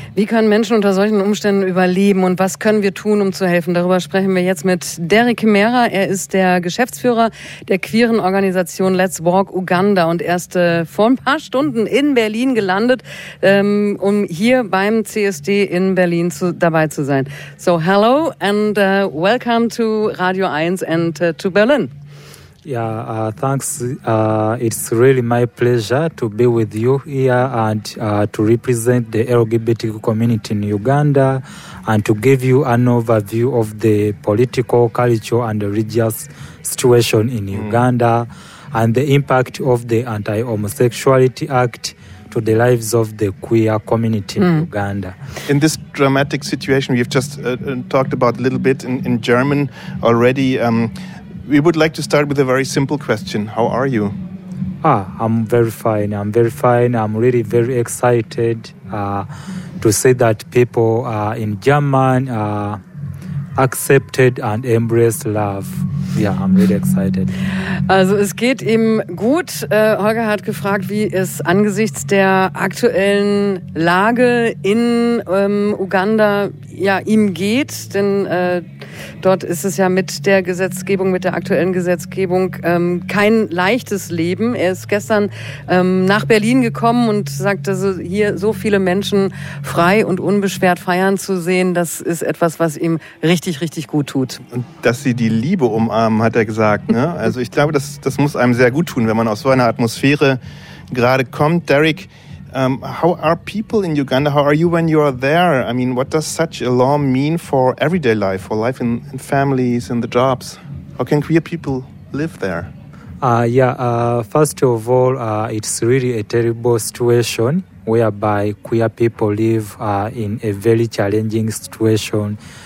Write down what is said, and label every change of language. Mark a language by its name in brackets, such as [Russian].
[German] Wie können Menschen unter solchen Umständen überleben und was können wir tun, um zu helfen? Darüber sprechen wir jetzt mit Derek Mera. Er ist der Geschäftsführer der queeren Organisation Let's Walk Uganda und er ist vor ein paar Stunden in Berlin gelandet, um hier beim CSD in Berlin dabei zu sein. [English] So, hello and welcome to Radio 1 and to Berlin. Yeah, thanks. It's really my pleasure to be with you here and to represent the LGBTQ community in Uganda and to give you an overview of the political, cultural and religious situation in Uganda and the impact of the Anti-Homosexuality Act to the lives of the queer community in Uganda. In this dramatic situation we've just talked about a little bit in German already, we would like to start with a very simple question. How are you? I'm very fine. I'm really very excited to see that people in German accepted and embraced love. Yeah, I'm really excited. [German] Also es geht ihm gut. Holger hat gefragt, wie es angesichts der aktuellen Lage in Uganda ja ihm geht, denn dort ist es ja mit der aktuellen Gesetzgebung kein leichtes Leben. Er ist gestern nach Berlin gekommen und sagt, also hier so viele Menschen frei und unbeschwert feiern zu sehen, das ist etwas, was ihm richtig, richtig gut tut. Und dass sie die Liebe umarmen, hat er gesagt, ne? Also ich glaube, das muss einem sehr gut tun, wenn man aus so einer Atmosphäre gerade kommt. [English] Derek, how are people in Uganda? How are you when you are there? I mean, what does such a law mean for everyday life, for life in families, in the jobs? How can queer people live there? First of all, it's really a terrible situation whereby queer people live in a very challenging situation.